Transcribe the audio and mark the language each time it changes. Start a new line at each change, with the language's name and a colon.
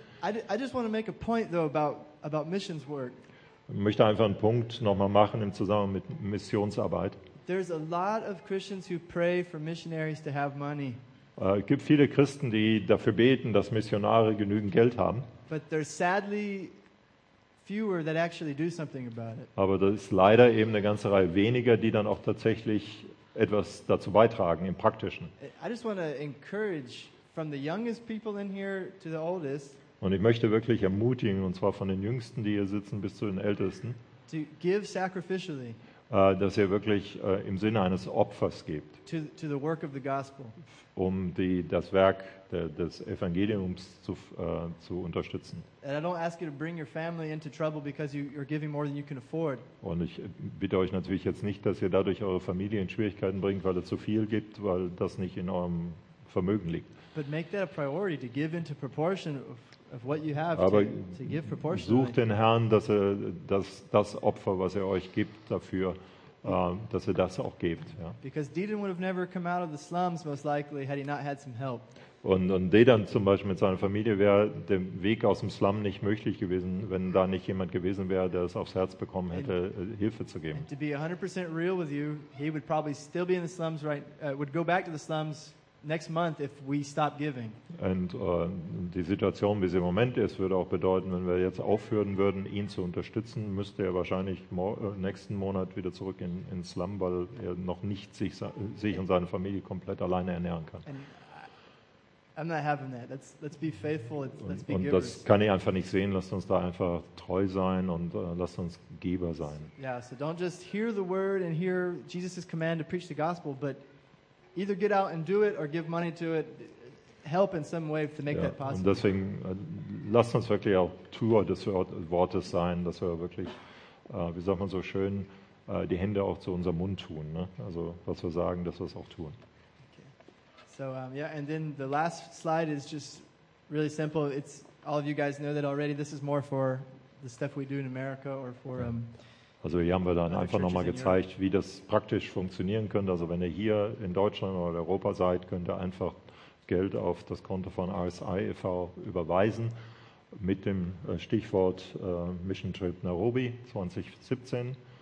English: I just want to make a point, though, about missions work.
German: Ich möchte einfach einen Punkt nochmal machen im Zusammenhang mit Missionsarbeit.
English: There's a lot of Christians who pray for missionaries to have money.
German: Es gibt viele Christen, die dafür beten, dass Missionare genügend Geld haben.
English: But there's sadly fewer that actually do something about it.
German: Aber da ist leider eben eine ganze Reihe weniger, die dann auch tatsächlich etwas dazu beitragen im Praktischen.
English: I just want to encourage from the youngest people in here to the oldest.
German: Und ich möchte wirklich ermutigen, und zwar von den Jüngsten, die hier sitzen, bis zu den Ältesten,
English: to give sacrificially.
German: Dass ihr wirklich im Sinne eines Opfers gebt,
English: to the work of the gospel.
German: Um das Werk des Evangeliums zu unterstützen.
English: And I don't ask you to bring your family into trouble because you're giving more than you can afford.
German: Und ich bitte euch natürlich jetzt nicht, dass ihr dadurch eure Familie in Schwierigkeiten bringt, weil ihr zu viel gibt, weil das nicht in eurem Vermögen liegt.
English: But make that a priority to give into proportion of what you have.
German: Aber
English: to give proportionally.
German: Sucht den Herrn, dass das Opfer, was er euch gibt dafür, dass er das auch gibt. Ja.
English: Because Dedan would have never come out of the slums most likely had he not had some help.
German: Und Dedan zum Beispiel mit seiner Familie wäre der Weg aus dem Slum nicht möglich gewesen, wenn da nicht jemand gewesen wäre, der es aufs Herz bekommen hätte, Hilfe zu geben.
English: To be 100% real with you, he would probably still be in the slums right, would go back to the slums next month if we stop giving.
German: Und die Situation, wie sie im Moment ist, würde auch bedeuten, wenn wir jetzt aufhören würden, ihn zu unterstützen, müsste er wahrscheinlich nächsten Monat wieder zurück in Slum, weil er noch nicht sich und seine Familie komplett alleine ernähren kann.
English: I'm not having that. Let's be faithful. Let's be givers.
German: Und das kann ich einfach nicht sehen. Lasst uns da einfach treu sein und lasst uns Geber sein.
English: Yeah, so don't just hear the word and hear Jesus' command to preach the gospel, but either get out and do it or give money to it. Help in some way to make that possible.
German: Und deswegen lasst uns wirklich auch Tour des Wortes sein, dass wir wirklich, wie sagt man so schön, die Hände auch zu unserem Mund tun. Ne? Also was wir sagen, dass wir es auch tun.
English: So and then the last slide is just really simple. It's all of you guys know that already. This is more for the stuff we do in America or for
German: Also hier haben wir dann einfach nochmal gezeigt, wie das praktisch funktionieren könnte. Also wenn ihr hier in Deutschland oder Europa seid, könnt ihr einfach Geld auf das Konto von RSI e.V. überweisen mit dem Stichwort Mission Trip Nairobi 2017.